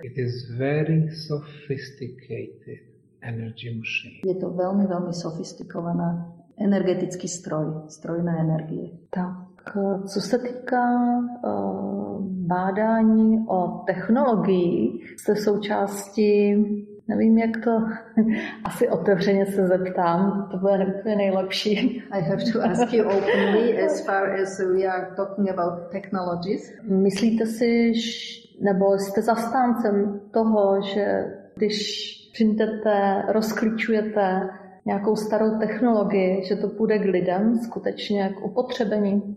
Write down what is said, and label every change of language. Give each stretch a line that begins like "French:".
English: It is very sophisticated energy machine.
Slovak: Je to veľmi, veľmi sofistikovaná energetický stroj na energie.
Czech: Tak, co se týká bádání o technologii, jste součástí, nevím, jak to asi otevřeně se zeptám, to bude nebude nejlepší.
English: I have to ask you openly as far as we are talking about technologies.
Czech: Myslíte si, nebo jste zastáncem toho, že když přijdete, rozklíčujete nějakou starou technologii, že to půjde k lidem skutečně k upotřebení?